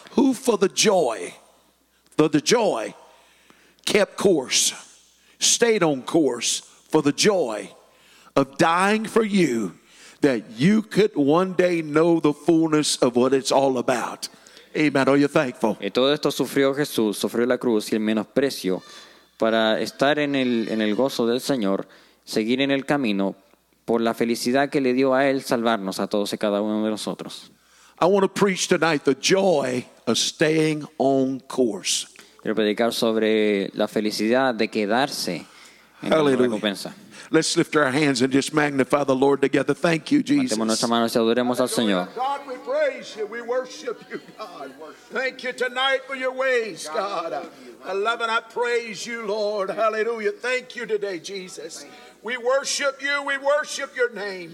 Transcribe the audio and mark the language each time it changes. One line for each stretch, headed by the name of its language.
English: Who for the joy, kept course, stayed on course for the joy of dying for you, that you could one day know the fullness of what it's all about. Amen. Are you thankful?
Spanish: Y todo esto sufrió Jesús, sufrió la cruz y el menosprecio para estar en el gozo del Señor, seguir en el camino por la felicidad que le dio a Él salvarnos a todos y cada uno de nosotros.
English: I want to preach tonight the joy of staying on course.
Spanish: Quiero predicar sobre la felicidad de quedarse en la recompensa.
English: Let's lift our hands and just magnify the Lord together. Thank you, Jesus.
Spanish: Levantemos nuestras manos y adoremos al Señor.
English: God, we praise you. We worship you, God. Thank you tonight for your ways, God. I love and I praise you, Lord. Hallelujah. Thank you today, Jesus. We worship you. We worship your name.